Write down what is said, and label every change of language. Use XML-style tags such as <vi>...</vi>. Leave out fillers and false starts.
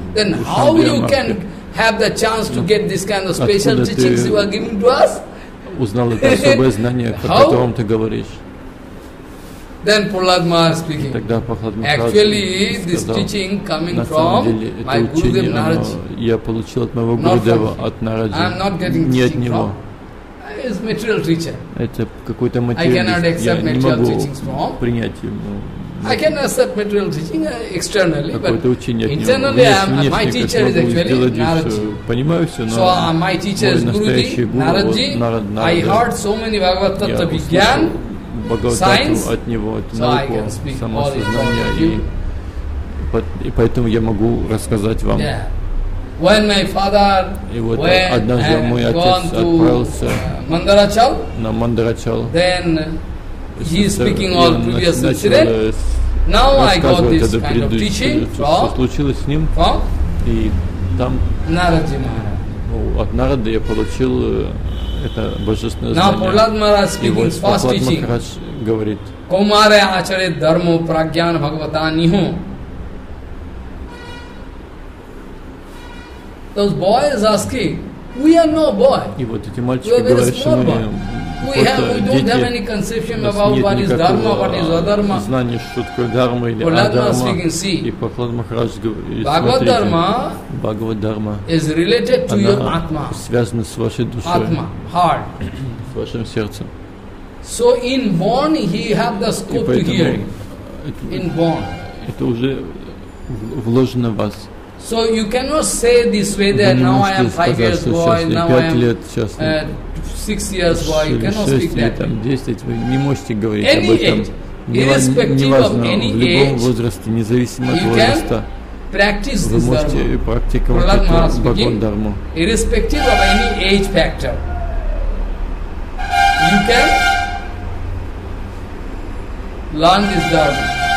<en>Then how you can have the chance to get this kind of special teachings you are giving to us?</en> <ru>Узнал это особое знание, о котором ты говоришь.</ru> <en>Then Prahlad Maharaj speaking.</en> <ru>Тогда Прахлад</ru> <en>Махарадж actually, this teaching coming from my Gurudev Naraji.</en> <ru>Я получил от моего Гурудева, от Нараджи.</ru> <en>I'm not getting</en> <ru>не от него.</ru> <en>It's material teacher.</en> <ru>Это какой-то материалист. Я не могу принять ему.</ru> <en>I can accept material teaching externally, but internally, my teacher is actually Naraji. So my teacher is Gurudev Naraji. I heard so many Bhagavad Tattva Vigyan.</en> <ru>Science, от него, от науку, самосознание, и поэтому я могу рассказать вам.</ru> <en>Yeah. When my father</en> <ru>вот</ru> <en>went</en> <ru>однажды мой отец отправился Мандарачал, на Мандарачал,</ru> <en>then he is speaking all previous incidents. Now I got this kind of teaching from,</en> <ru>что случилось с ним,</ru> <en>from?</en> <ru>И там Наради, от Нарады я получил это божественное</ru> <en>знание. Now, Prahlad Maharaj speaking,</en> <ru>вот,</ru> <en>first Prahlad teaching.</en> <ru>Махарадж говорит.</ru> <sa>Kumare acharit dharmo pragyan bhagavata niho.</sa> <en>Those boys asking, we are no boy.</en> <ru>И вот эти мальчики говорят, что мы</ru> <en>don't have any conception about what is dharma, what is adharma.</en> <ru>Знание, что такое дхарма или адхарма. И Прахлад Махарадж говорит, смотрите. Бхагавад дхарма</ru> <en>is related to your атма.</en> <ru>Связана с вашей душой.</ru> <en>Атма, heart.</en> <ru>С вашим сердцем.</ru> <en>So in born he have the scope to hear. In born.</en> <ru>Это уже вложено в вас.</ru> <en>So you cannot say this way that now I am 5 years old, now I am 6 years old, you cannot speak that.</en> <ru>Там, 10, вы не можете говорить</ru> <en>any</en> <ru>об этом.</ru> <en>Age,</en> <ru>неважно,</ru> <en>of any</en> <ru>в любом</ru> <en>age,</en> <ru>возрасте, независимо от возраста,</ru> <en>practice</en> <ru>вы можете</ru> <en>dharma.</en> <ru>Практиковать эту Бхагавад Дхарму.</ru> <en>Irrespective of any age factor, you can learn this dharma.</en>